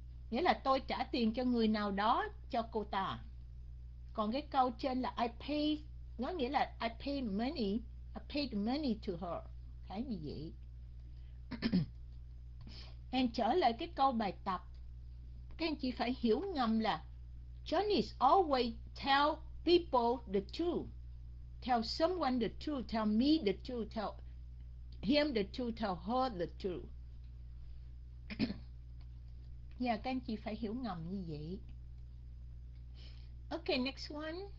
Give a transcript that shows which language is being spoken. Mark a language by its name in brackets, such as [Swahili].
[Vietnamese] Nghĩa là tôi trả tiền cho người nào đó cho cô ta. Còn cái câu trên là [English] I pay, nó nghĩa là I pay money, I paid money to her. [Vietnamese] Cái gì vậy? Em trở lại cái câu bài tập. Các anh chị phải hiểu ngầm là [English] Johnny's always tell people the truth. Tell someone the truth, tell me the truth, tell him the truth, tell her the truth. [Vietnamese] Yeah, các anh chị phải hiểu ngầm như vậy. [English] Ok, next one.